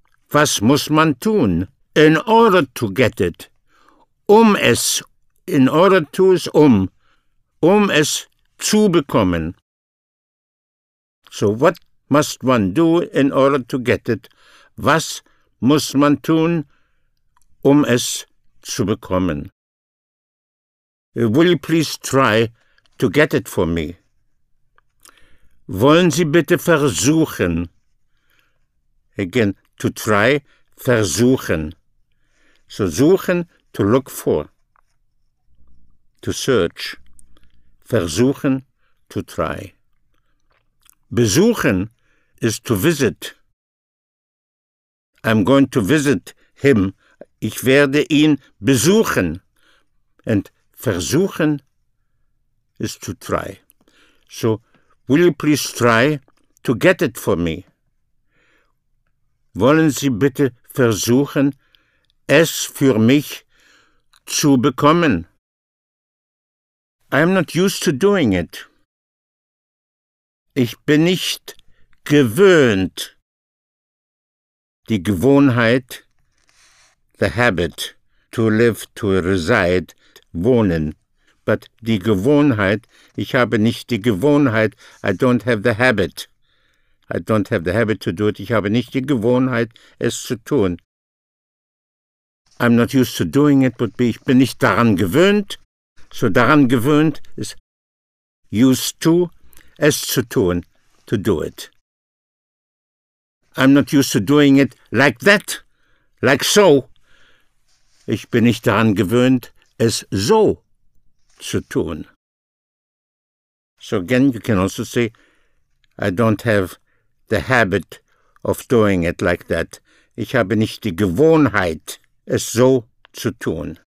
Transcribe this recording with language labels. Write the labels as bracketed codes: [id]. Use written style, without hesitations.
[de] Was muss man tun? [en] In order to get it. [de] Um es. [en] In order to is um. [de] Um es zu bekommen. [en] So what must one do in order to get it? [de] Was muss man tun, um es zu bekommen? [en] Will you please try to get it for me? [de] Wollen Sie bitte versuchen? [en] Again, to try, [de] versuchen. [en] So suchen, to look for. To search. Versuchen, to try. Besuchen is to visit. I'm going to visit him. [de] Ich werde ihn besuchen. [en] And versuchen is to try. So, will you please try to get it for me? [de] Wollen Sie bitte versuchen, es für mich zu bekommen? [en] I am not used to doing it. [de] Ich bin nicht gewöhnt. [en] Die Gewohnheit, the habit, to live, to reside, wohnen. [de] But die Gewohnheit, ich habe nicht die Gewohnheit, [en] I don't have the habit. I don't have the habit to do it. [de] Ich habe nicht die Gewohnheit, es zu tun. [en] I'm not used to doing it, but [de] ich bin nicht daran gewöhnt. [en] So [de] daran gewöhnt [en] is used to, [de] es zu tun, [en] to do it. I'm not used to doing it like that, like so. [de] Ich bin nicht daran gewöhnt, es so zu tun. [en] So again, you can also say, I don't have the habit of doing it like that. [de] Ich habe nicht die Gewohnheit, es so zu tun.